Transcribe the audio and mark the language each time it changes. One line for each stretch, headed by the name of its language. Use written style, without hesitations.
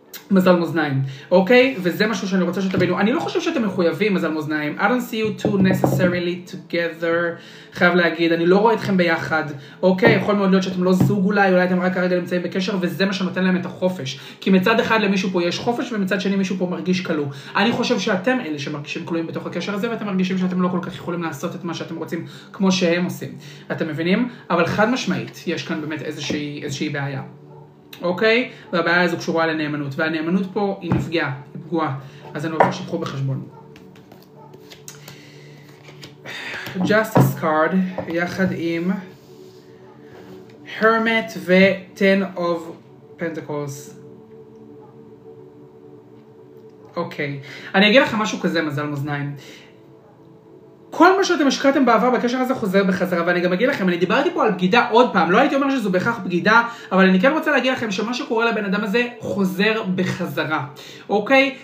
Hebrew: מזל מוזניים, אוקיי? וזה משהו שאני רוצה שתבינו. אני לא חושב שאתם מחויבים, מזל מוזניים.
English: I don't see you two necessarily together,
Hebrew: חייב להגיד. אני לא רואה אתכם ביחד, אוקיי? יכול מאוד להיות שאתם לא זוג אולי, אולי אתם רק הרגע נמצאים בקשר, וזה מה שנותן להם את החופש. כי מצד אחד למישהו פה יש חופש, ומצד שני מישהו פה מרגיש כלו. אני חושב שאתם אלה שמרגישים כלואים בתוך הקשר הזה, ואתם מרגישים שאתם לא כל כך יכולים לעשות את מה שאתם רוצים, כמו שהם עושים. אתם מבינים? אבל חד משמעית, יש כאן באמת איזושהי בעיה. אוקיי? והבעיה הזו קשורה לנאמנות. והנאמנות פה היא נפגעה, היא פגועה. אז אני רוצה שתקחו בחשבון. Justice card, יחד עם Hermit ו-Ten of Pentacles. אוקיי. אני אגיד לכם משהו כזה, מזל מוזניים. כל מה שאתם השקעתם בעבר בקשר הזה חוזר בחזרה, ואני גם אגיד לכם, אני דיברתי פה על בגידה עוד פעם, לא הייתי אומר שזו בכך בגידה, אבל אני כן רוצה להגיד לכם שמה שקורה לבן אדם הזה חוזר בחזרה, אוקיי?